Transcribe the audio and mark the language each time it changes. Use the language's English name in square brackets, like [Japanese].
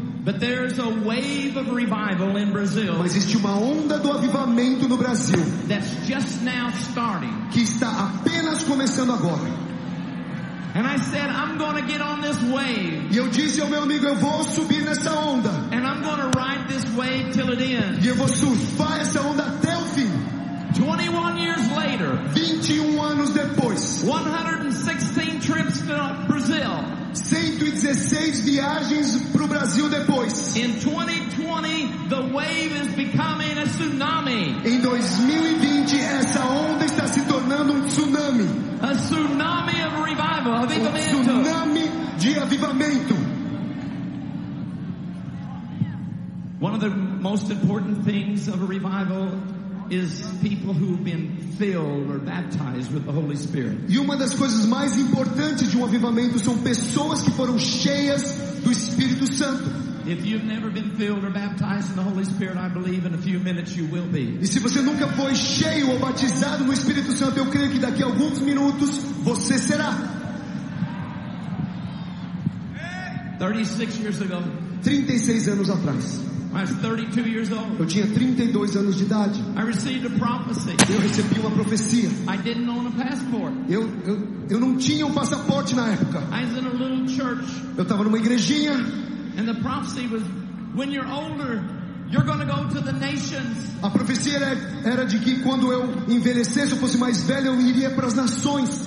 [English] But there's a wave of revival in Brazil. [Portuguese] Mas existe uma onda do avivamento no Brasil. [English] That's just now starting. [Portuguese] Que está apenas começando agora. [English] And I said, I'm going to get on this wave. [Portuguese] E eu disse ao meu amigo, eu vou subir nessa onda. [English] And I'm going to ride this wave till it ends. [Portuguese] E eu vou surfar essa onda até o fim. [English] 21 years later. [Portuguese] 21 anos depois. [English] 116 trips to Brazil. [Portuguese] 116 viagens para o Brasil depois. [English] In 2020, the wave is becoming a tsunami. [Portuguese] Em 2020, essa onda está se tornando um tsunami. [English] A tsunami of revival, avivamento. [Portuguese] Um tsunami de avivamento. [English] One of the most important things of a revival is people who have been filled or baptized with the Holy Spirit. [Portuguese] E uma das coisas mais importantes de um avivamento são pessoas que foram cheias do Espírito Santo. [English] If you've never been filled or baptized in the Holy Spirit, I believe in a few minutes you will be. [Portuguese] E se você nunca foi cheio ou batizado no Espírito Santo, eu creio que daqui a alguns minutos você será. [English] 36 years ago. [Portuguese] 36 anos atrás. [English] I was 32 years old. [Portuguese] Eu tinha 32 anos de idade. [English] I received a prophecy. [Portuguese] Eu recebi uma profecia. [English] I didn't own a passport. [Portuguese] Eu não tinha um passaporte na época. [English] I was in a little church. [Portuguese] Eu estava numa igrejinha. [English] And the prophecy was, when you're older, you're going to go to the nations. [Portuguese] A profecia era de que quando eu envelhecesse, eu fosse mais velho, eu iria para as nações.